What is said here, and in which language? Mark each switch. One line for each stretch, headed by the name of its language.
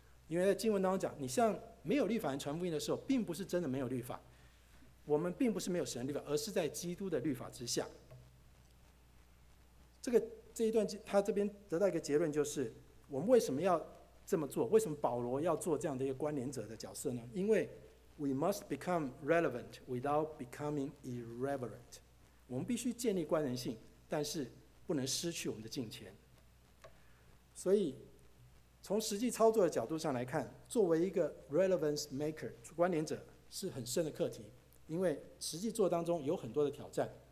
Chinese: 因为在经文当中讲，你像没有律法人传福音的时候，并不是真的没有律法，我们并不是没有神的律法，而是在基督的律法之下。这一段他这边得到一个结论，就是我们为什么要这么做，为什么保罗要做这样的一个关联者的角色呢？
English: 因为We must become relevant without becoming irreverent.
Chinese: 我们必须建立关联性，但是不能失去我们的敬虔。所以从实际操作的角度上来看，作为一个 relevance maker 关联者是很深的课题，因为实际做当中有很多的挑战。